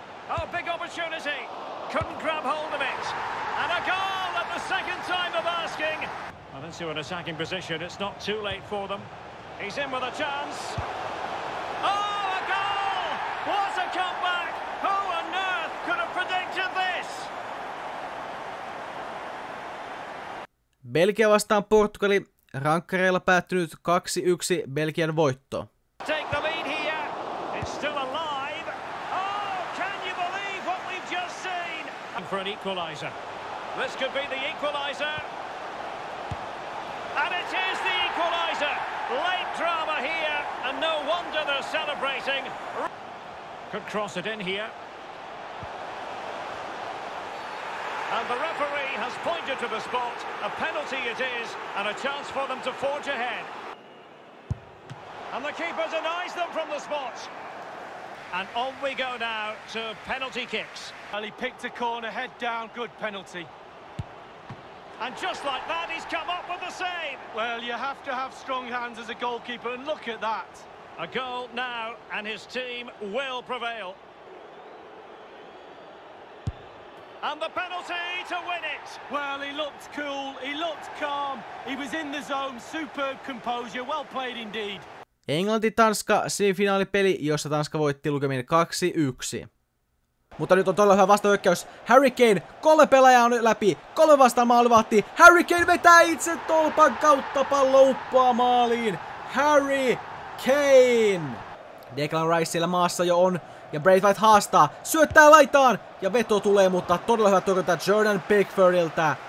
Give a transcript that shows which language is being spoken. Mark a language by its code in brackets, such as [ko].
[en] Oh, big opportunity. Couldn't grab hold of it. And a goal at the second time of asking. Well, into an attacking position. It's not too late for them. He's in with a chance. Oh, a goal! What a comeback! Who on earth could have predicted this? [fi] Belgia vastaan Portugali, rankkareilla päättynyt 2-1 Belgian voitto. [en] Take the lead here, it's still alive. Oh, can you believe what we've just seen? For an equaliser. This could be the equaliser. And it is the equaliser. Late drama here, and no wonder together celebrating. Could cross it in here. And the referee has pointed to the spot. A penalty it is, and a chance for them to forge ahead. And the keeper denies them from the spot. And on we go now to penalty kicks. And he picked a corner, head down, good penalty. And just like that, he's come up with the save. Well, you have to have strong hands as a goalkeeper, and look at that. A goal now, and his team will prevail. And the penalty to win it. Well, he looked cool, he looked calm, he was in the zone, superb composure, well played indeed. [fi] Englanti-Tanska semifinaalipeli, jossa Tanska voitti lukemin 2-1. Mutta nyt on todella hyvä vastahyökkäys. Harry Kane, kolme pelaajaa on läpi, kolme vastaan maalivahti. Harry Kane vetää itse tolpan kautta pallo uppoa maaliin. Harry Kane! Declan Rice siellä maassa jo on, ja Braithwaite haastaa, syöttää laitaan, ja veto tulee, mutta todella hyvä torjunta Jordan Pickfordilta.